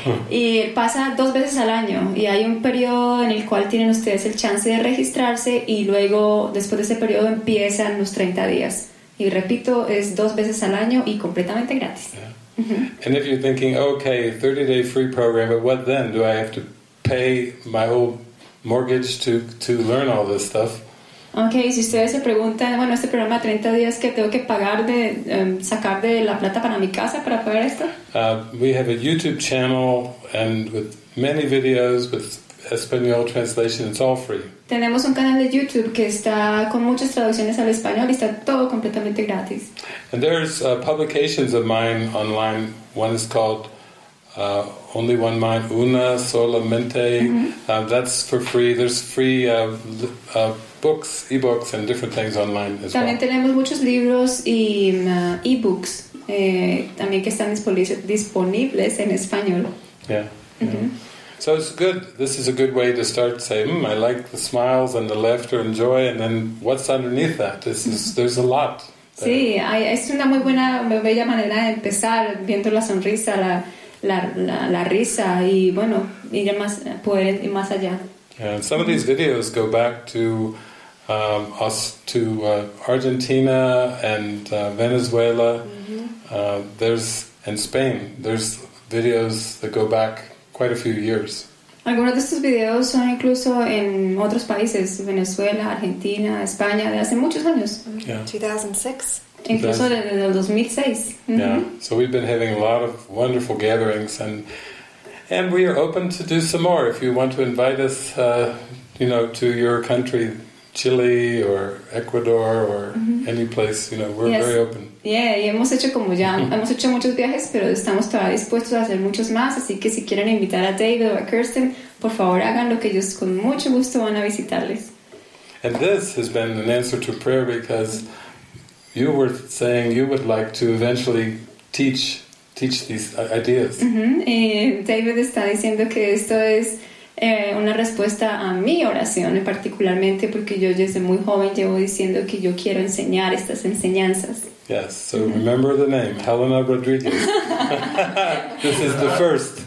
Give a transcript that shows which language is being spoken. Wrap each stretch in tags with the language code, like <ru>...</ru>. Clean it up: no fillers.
<es>Y pasa dos veces al año, y hay un periodo en el cual tienen ustedes el chance de registrarse, y luego, después de ese periodo, empiezan los 30 días. Y repito, es dos veces al año y completamente gratis.</es> <en>Yeah. And if you're thinking, okay, 30-day free program, but what then? Do I have to pay my whole mortgage to learn all this stuff?</en> <es>Okay, si ustedes se preguntan, bueno, este programa de 30 días, ¿qué tengo que pagar de sacar de la plata para mi casa para pagar esto?</es> <en>We have a YouTube channel and with many videos with Espanol translation, it's all free.</en> <es>Tenemos un canal de YouTube que está con muchas traducciones al español y está todo completamente gratis.</es> <en>And there's publications of mine online. One is called Only One Mind, Una Sola Mente. Mm-hmm. That's for free. There's free books, e-books, and different things online as well.</en> <es>También tenemos muchos libros y e-books también que están disponibles en español.</es> <en>Yeah. Mm-hmm. Yeah. So it's good. This is a good way to start to say, I like the smiles and the laughter and joy, and then what's underneath that? There's a lot.</en> <es>Sí, es una muy buena, bella manera de empezar viendo la sonrisa, la risa, y bueno, ir más, poder ir más allá.</es> <en>And some of these videos go back to Argentina and Venezuela. Mm-hmm. There's and Spain. There's videos that go back quite a few years.</en> <es>Algunos de estos videos son incluso en otros países, Venezuela, Argentina, España, de hace muchos años.</es> <en>Yeah.</en> <es>2006. Incluso desde 2006.</es> <en>Mm-hmm. Yeah. So we've been having a lot of wonderful gatherings, and we are open to do some more. If you want to invite us, to your country, Chile or Ecuador or mm-hmm. any place, we're yes. very open.</en> <es>Yeah, y hemos hecho como ya, hemos hecho muchos viajes, pero estamos todavía dispuestos a hacer muchos más, así que si quieren invitar a David o a Kirsten, por favor háganlo, que ellos con mucho gusto van a visitarles.</es> <en>And this has been an answer to prayer, because you were saying you would like to eventually teach these ideas. Mm-hmm.</en> <es>David está diciendo que esto es una respuesta a mi oración, particularmente porque yo desde muy joven llevo diciendo que yo quiero enseñar estas enseñanzas.</es> <en>Yes, so remember the name, Helena Rodriguez. This is the first.</en>